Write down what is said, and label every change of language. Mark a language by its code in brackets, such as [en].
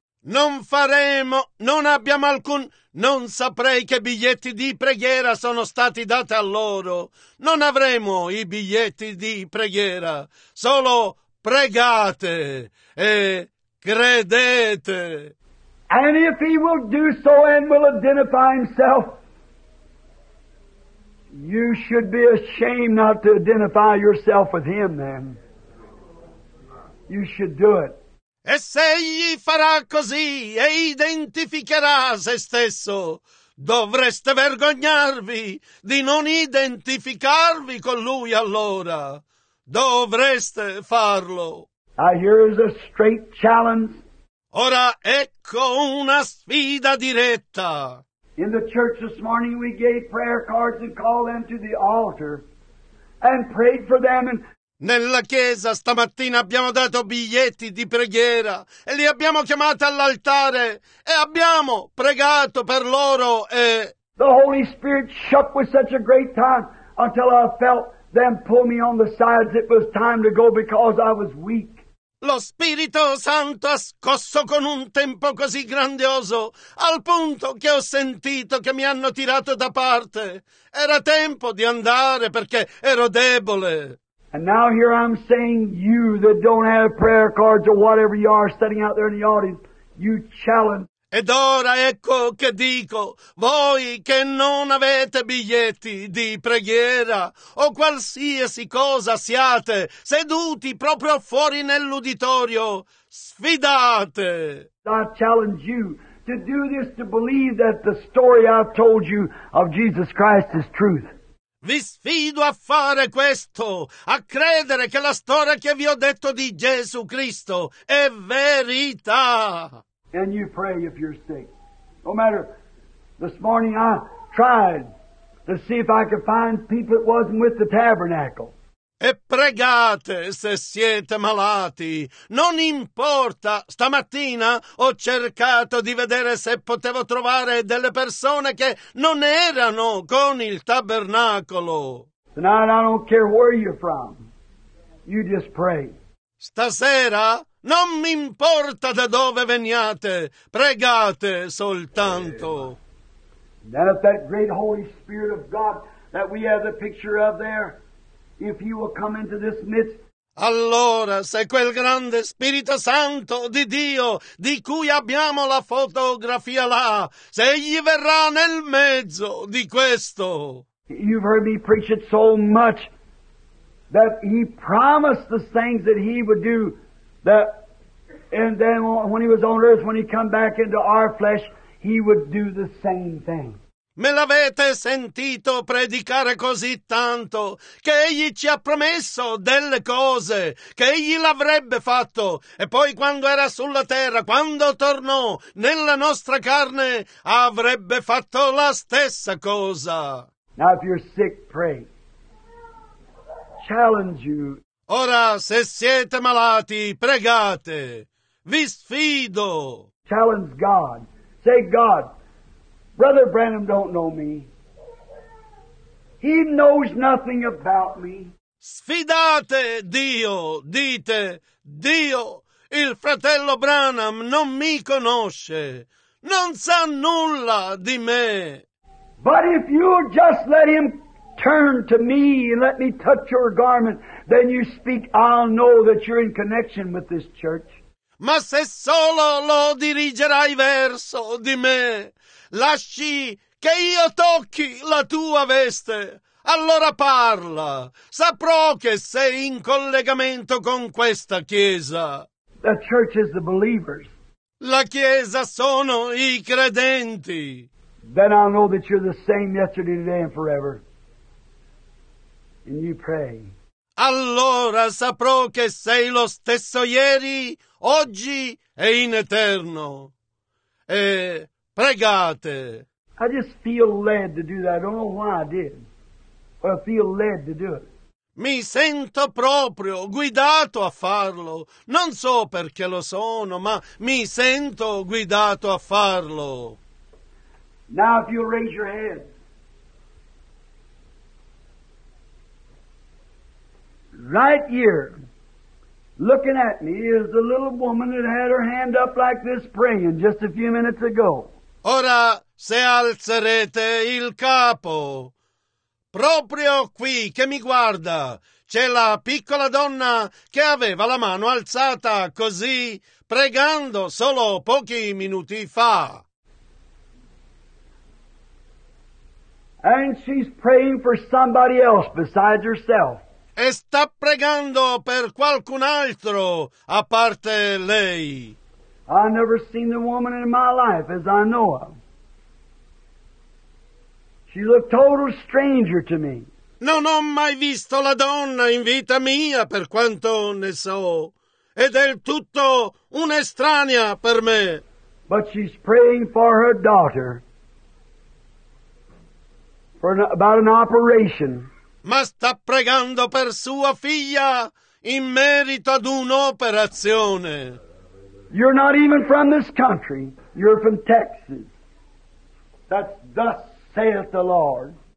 [it] Non faremo, non abbiamo alcun, non saprei che biglietti di preghiera sono stati dati a loro. Non avremo i biglietti di preghiera, solo pregate e credete. [en] And if he will do so and will identify himself, you should be ashamed not to identify yourself with him then. You should do it. [it] E se egli farà così e identificherà se stesso, dovreste vergognarvi di non identificarvi con lui allora. Dovreste farlo. [en] Here's a straight challenge. [it] Ora ecco una sfida diretta. [en] In the church this morning we gave prayer cards and called them to the altar and prayed for them and... [it] Nella chiesa stamattina abbiamo dato biglietti di preghiera e li abbiamo chiamati all'altare e abbiamo pregato per loro e... [en] The Holy Spirit shook with such a great time until I felt them pull me on the sides. It was time to go because I was weak. [it] Lo Spirito Santo ha scosso con un tempo così grandioso, al punto che ho sentito che mi hanno tirato da parte. Era tempo di andare perché ero debole. [en] And now here I'm saying you that don't have prayer cards or whatever you are standing out there in the audience, you challenge. [it] Ed ora ecco che dico, voi che non avete biglietti di preghiera o qualsiasi cosa siate, seduti proprio fuori nell'uditorio, sfidate! [en] I challenge you to do this, to believe that the story I've told you of Jesus Christ is truth. [it] Vi sfido a fare questo, a credere che la storia che vi ho detto di Gesù Cristo è verità! [en] And you pray if you're sick. No matter, this morning I tried to see if I could find people that wasn't with the tabernacle. [it] E pregate se siete malati. Non importa, stamattina ho cercato di vedere se potevo trovare delle persone che non erano con il tabernacolo. [en] Tonight I don't care where you're from. You just pray. [it] Stasera non mi importa da dove veniate, pregate soltanto. [en] That if that great Holy Spirit of God that we have the picture of there, if he will come into this midst. [it] Allora, se quel grande Spirito Santo di Dio di cui abbiamo la fotografia là, se egli verrà nel mezzo di questo. [en] You've heard me preach it so much that he promised the things that he would do. That, and then when he was on earth, when he come back into our flesh, he would do the same thing. [it] Me l'avete sentito predicare così tanto che egli ci ha promesso delle cose che egli l'avrebbe fatto. E poi quando era sulla terra, quando tornò nella nostra carne, avrebbe fatto la stessa cosa. [en] Now if you're sick, pray. Challenge you. [it] Ora, se siete malati, pregate. Vi sfido. [en] Challenge God. Say, God, Brother Branham don't know me. He knows nothing about me. [it] Sfidate Dio. Dite, Dio, il fratello Branham non mi conosce. Non sa nulla di me. [en] But if you just let him turn to me and let me touch your garment, then you speak, I'll know that you're in connection with this church. [it] Ma se solo lo dirigerai verso di me, lasci che io tocchi la tua veste, allora parla, saprò che sei in collegamento con questa chiesa. [en] The church is the believers. [it] La chiesa sono i credenti. [en] Then I'll know that you're the same yesterday, today and forever. And you pray. [it] Allora saprò che sei lo stesso ieri, oggi e in eterno. E pregate. [en] I just feel led to do that. I don't know why I did. But I feel led to do it. [it] Mi sento proprio guidato a farlo. Non so perché lo sono, ma mi sento guidato a farlo. [en] Now if you raise your hand. Right here, looking at me, is the little woman that had her hand up like this praying just a few minutes ago. [it] Ora, se alzerete il capo, proprio qui che mi guarda, c'è la piccola donna che aveva la mano alzata così, pregando solo pochi minuti fa. [en] And she's praying for somebody else besides herself. [it] e sta pregando per qualcun altro a parte lei. [en] I've never seen the woman in my life as I know of. She looked total stranger to me. [it] Non ho mai visto la donna in vita mia, per quanto ne so, è del tutto un'estranea per me. [en] But she's praying for her daughter for about an operation. [it] Ma sta pregando per sua figlia in merito ad un'operazione. [en] You're not even from this country. You're from Texas. That's thus saith the Lord.